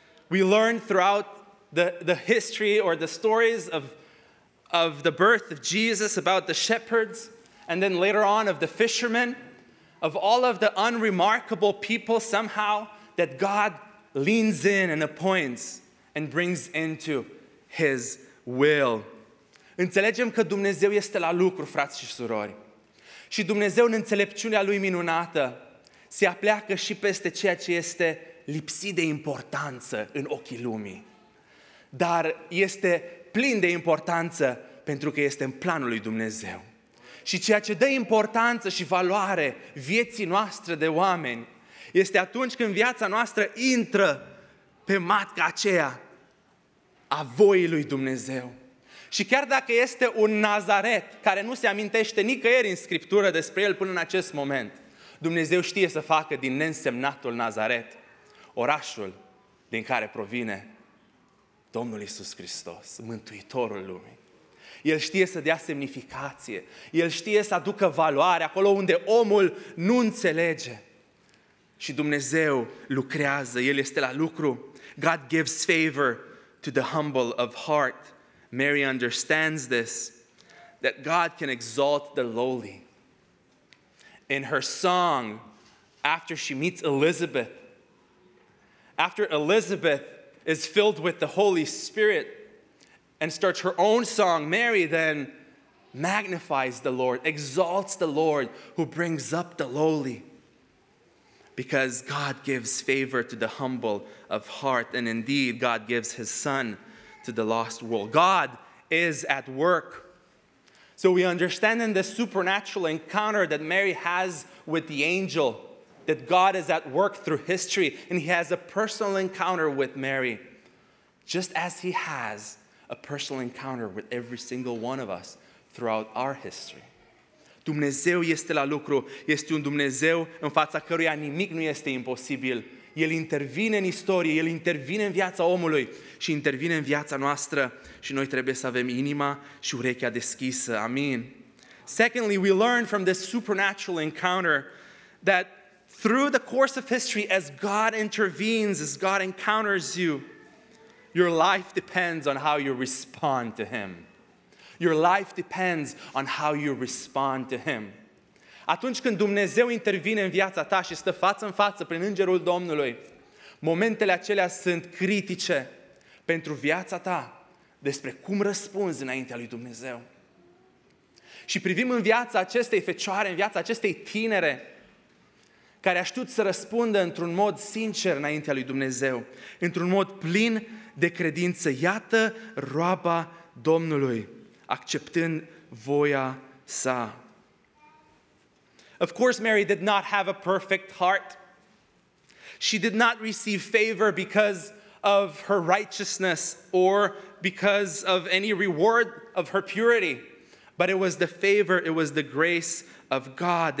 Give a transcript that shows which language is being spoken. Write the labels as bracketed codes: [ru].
[en] We learn throughout the history or the stories of the birth of Jesus about the shepherds, and then later on of the fishermen, of all of the unremarkable people somehow that God leans in and appoints and brings into his will. [ro] Înțelegem că Dumnezeu este la lucru, frați și surori. Și Dumnezeu, în înțelepciunea lui minunată, se apleacă și peste ceea ce este lipsit de importanță în ochii lumii. Dar este plin de importanță pentru că este în planul lui Dumnezeu. Și ceea ce dă importanță și valoare vieții noastre de oameni este atunci când viața noastră intră pe matca aceea a voii lui Dumnezeu. Și chiar dacă este un Nazaret care nu se amintește nicăieri în Scriptură despre el până în acest moment, Dumnezeu știe să facă din nensemnatul Nazaret orașul din care provine Domnul Iisus Hristos, Mântuitorul lumii. El știe să dea semnificație, El știe să aducă valoare acolo unde omul nu înțelege. Și Dumnezeu lucrează, El este la lucru. [en] God gives favor to the humble of heart. Mary understands this, that God can exalt the lowly. In her song, after she meets Elizabeth, after Elizabeth is filled with the Holy Spirit and starts her own song, Mary then magnifies the Lord, exalts the Lord who brings up the lowly. Because God gives favor to the humble of heart, and indeed God gives his Son to the lost world. God is at work. So we understand in this supernatural encounter that Mary has with the angel that God is at work through history, and he has a personal encounter with Mary, just as he has a personal encounter with every single one of us throughout our history. [ro] Dumnezeu este la lucru, este un Dumnezeu în fața căruia nimic nu este imposibil. El intervine în istorie, El intervine în viața omului și intervine în viața noastră și noi trebuie să avem inima și urechea deschisă. Amin. [en] Secondly, we learn from this supernatural encounter that through the course of history, as God intervenes, as God encounters you, your life depends on how you respond to Him. Your life depends on how you respond to Him. [ro] Atunci când Dumnezeu intervine în viața ta și stă față în față prin Îngerul Domnului, momentele acelea sunt critice pentru viața ta despre cum răspunzi înaintea lui Dumnezeu. Și privim în viața acestei fecioare, în viața acestei tinere, care a știut să răspundă într-un mod sincer înaintea lui Dumnezeu, într-un mod plin de credință. Iată roaba Domnului, acceptând voia sa. [en] Of course, Mary did not have a perfect heart. She did not receive favor because of her righteousness or because of any reward of her purity. But it was the favor, it was the grace of God.